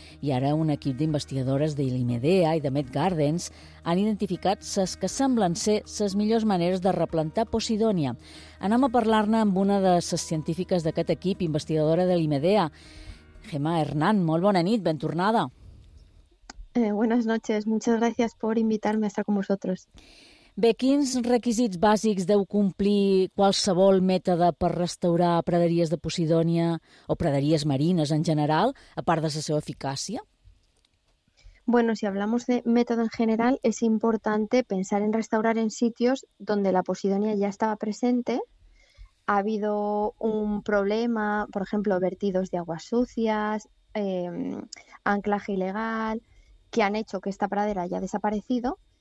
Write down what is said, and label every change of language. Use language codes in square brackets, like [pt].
[ca] I ara un equip d'investigadores de l'IMEDEA i de Med Gardens han identificat les que semblen ser les millors maneres de replantar Posidònia. Anem a parlar-ne amb una de les científiques d'aquest equip, investigadora de l'IMEDEA, Gemma Hernán. Molt bona nit, ben tornada. [es] Buenas noches, muchas gracias por invitarme a estar con vosotros. [ca] Bé, quins requisits bàsics deu complir qualsevol mètode per restaurar praderies de Posidònia o praderies marines en general, a part de la seva eficàcia? [es] Bueno, si hablamos de método en general, es importante pensar en restaurar en sitios donde la Posidonia ya estaba presente, ha habido un problema, por ejemplo, vertidos de aguas sucias, anclaje ilegal, que han hecho que esta pradera haya desaparecido,